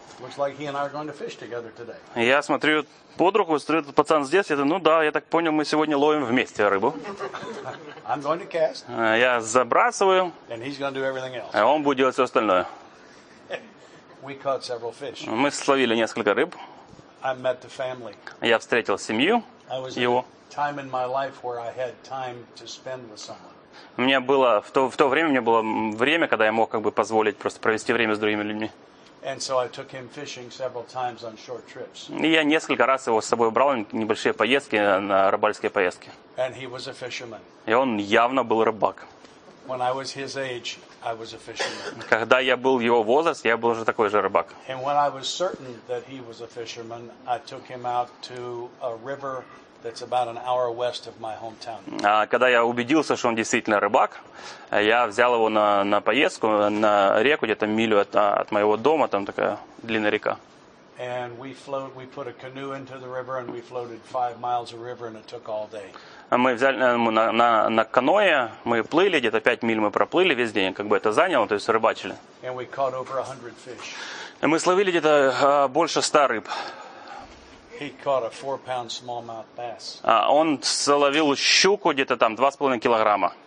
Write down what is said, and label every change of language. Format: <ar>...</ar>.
<en>Looks like he and I are going to fish together today.</en> <ru>Я смотрю под руку, смотрю, этот пацан здесь, я говорю, ну да, я так понял, мы сегодня ловим вместе рыбу.</ru> <en>I'm going to cast.</en> <ru>Я забрасываю,</ru> <en>and he's going to do everything else.</en> <ru>А он будет делать все остальное.</ru> <en>We caught several fish.</en> <ru>Мы словили несколько рыб.</ru> <en>I met the family.</en> <ru>Я встретил семью,</ru> <en>I was</en> <ru>его.</ru> <en>At a time in my life where I had time to spend with someone.</en> <ru>У меня было в то время, у меня было время, когда я мог как бы позволить просто провести время с другими людьми.</ru> <en>And so I took him fishing several times on short trips.</en> <ru>И я несколько раз его с собой брал на небольшие поездки, на рыбальские поездки.</ru> <en>And he was a fisherman.</en> <ru>И он явно был рыбак.</ru> <en>When I was his age, I was a fisherman.</en> <ru>Когда я был его возраст, я был уже такой же рыбак.</ru> <en>And when I was certain that he was a fisherman, I took him out to a river that's about an hour west of my hometown.</en> <ru>Когда я убедился, что он действительно рыбак, я взял его на поездку на реку где-то милю от моего дома, там такая длинная река.</ru> <en>And we put a canoe into the river and we floated 5 miles of river and it took all day.</en> <ru>Мы взяли на каноэ, мы плыли где-то 5 миль, мы проплыли весь день, как бы это заняло, то есть рыбачили.</ru> <en>And we caught over 100 fish.</en> <ru>И мы словили где-то больше 100 рыб.</ru> <en>He caught a 4-pound smallmouth bass.</en> <ru>Он словил щуку где-то там 2.5 килограмма.</ru>